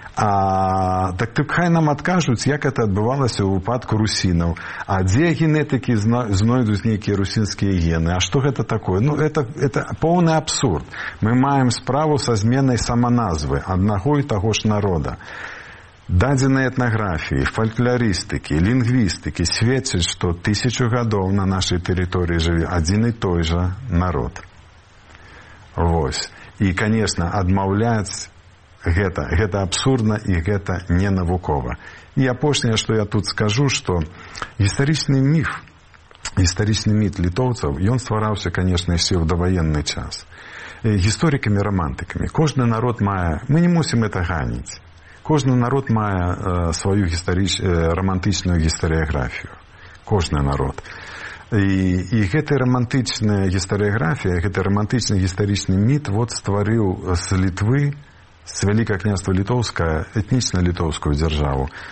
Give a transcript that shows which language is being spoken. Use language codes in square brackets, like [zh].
[ru] А так ты хай нам откажуть, як это отбывалось в упадку русинов. А где генетики знойдут некие русинские гены? А что это такое? Ну, это полный абсурд. Мы маем справу со изменой самоназвы одного и того же народа. [be] Дадзеныя этнаграфіі, фалькларыстыкі, лінгвістыкі сведчаць, што тысячу гадоў на нашай тэрыторыі жыве адзін і той жа народ. Вось. І, канешна, адмаўляць гэта абсурдна і гэта не навукова. І апошняе, што я тут скажу, што гістарычны міф літоўцаў, ён ствараўся, канешна, яшчэ ў даваенны час. Гісторыкамі, рамантыкамі. Кожны народ мае, мы не мусім это ганіць. [ru] Кожный народ мае свою романтичную гистериографию. Кожный народ. И эта романтичная гистериография, этот романтичный гисторический мит вот створил с Литвы, с Великое князство Литовское, этнично-литовскую державу.